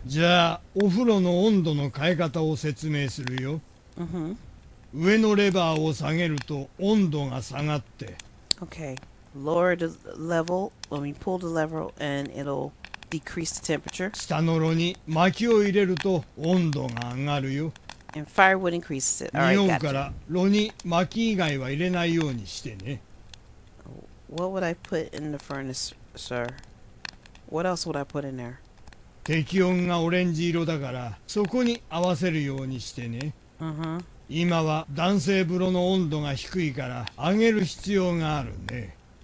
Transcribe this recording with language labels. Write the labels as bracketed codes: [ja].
[ja] じゃあ、お風呂の温度の変え方を説明するよ。 Mm-hmm. 上のレバーを下げると温度が下がって。 [en] Okay. Lower the level. Let me pull the lever and it'll decrease the temperature. [ja] 下の炉に薪を入れると温度が上がるよ。 [en] And firewood increases it. All right, gotcha. [ja] 炉炉に薪以外は入れないようにしてね。 [en] What would I put in the furnace, sir? What else would I put in there? [ja] 適温がオレンジ色だから、そこに合わせるようにしてね。 Uh-huh. 今は男性風呂の温度が低いから、上げる必要があるね。